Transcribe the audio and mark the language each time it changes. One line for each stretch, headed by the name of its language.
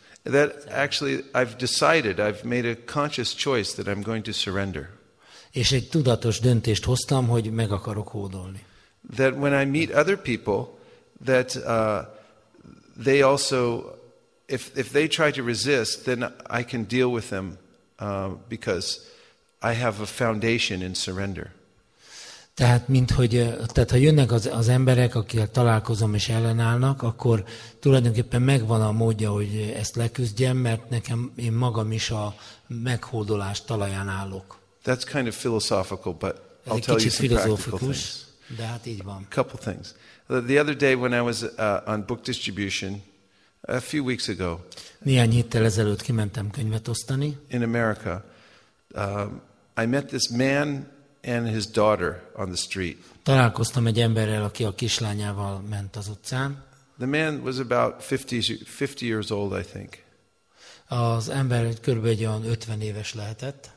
English: That actually I've decided, I've made a conscious choice that I'm going to surrender.
Hungarian: És egy tudatos döntést hoztam, hogy meg akarok hódolni.
English: That when I meet other people, that they also, if they try to resist, then I can deal with them because I have a foundation in surrender.
Hungarian: Tehát ha jönnek az emberek, akikkel találkozom és ellenállnak, akkor tulajdonképpen megvan a módja, hogy ezt leküzdjem, mert nekem én magam is a meghódolás talaján állok.
English: That's kind of philosophical, but I'll tell you some practical things.
Hungarian: De hát így van.
English: A couple things. The other day when I was on book distribution, a few weeks ago,
Hungarian: néhány héttel ezelőtt kimentem könyvet osztani.
English: In America, I met this man and his daughter on the street.
Hungarian: Találkoztam egy emberrel, aki a kislányával ment az utcán.
English: The man was about 50 years old, I think.
Hungarian: Az ember körülbelül egy olyan 50 éves lehetett.